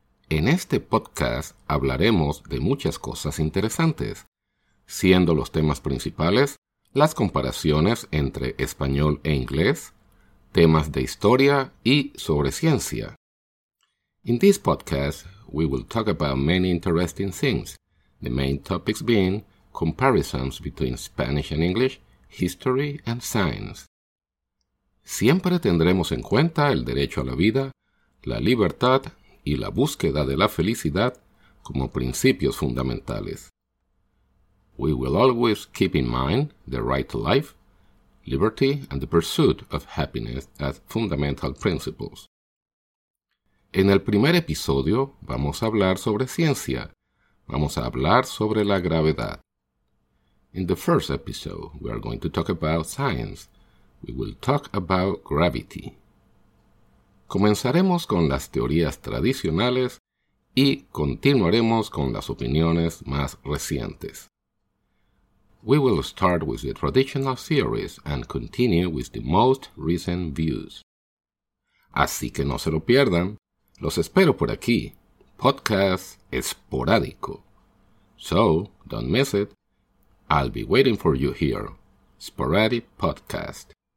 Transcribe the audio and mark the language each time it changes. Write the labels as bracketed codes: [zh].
[es] En este podcast hablaremos de muchas cosas interesantes, siendo los temas principales las comparaciones entre español e inglés, temas de historia y sobre ciencia. [en] In this podcast, we will talk about many interesting things, the main topics being comparisons between Spanish and English, history and science. [es] Siempre tendremos en cuenta el derecho a la vida, la libertad y la búsqueda de la felicidad como principios fundamentales. [en] We will always keep in mind the right to life, liberty and the pursuit of happiness as fundamental principles. [es] En el primer episodio vamos a hablar sobre ciencia. Vamos a hablar sobre la gravedad. [en] In the first episode, we are going to talk about science. We will talk about gravity. [es] Comenzaremos con las teorías tradicionales y continuaremos con las opiniones más recientes. [en] We will start with the traditional theories and continue with the most recent views. [es] Así que no se lo pierdan. Los espero por aquí. [en] Podcast Sporadico. So, don't miss it. I'll be waiting for you here. Sporadic Podcast.